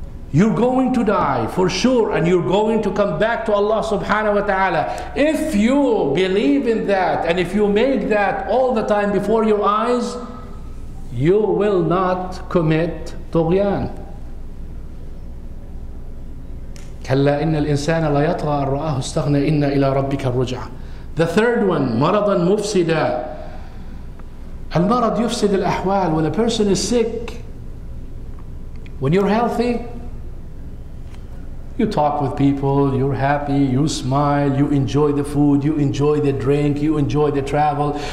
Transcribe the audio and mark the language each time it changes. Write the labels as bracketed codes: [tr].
[en] You're going to die for sure, and you're going to come back to Allah subhanahu wa ta'ala. If you believe in that, and if you make that all the time before your eyes, you will not commit طغيان. [ar] كلا إن الإنسان لا يطغى أن رآه استغنى إن إلى ربك الرجعة. [en] The third one, [ar] مرضا مفسدا. المرض يفسد الأحوال. [en] When a person is sick, when you're healthy, you talk with people, you're happy, you smile, you enjoy the food, you enjoy the drink, you enjoy the travel.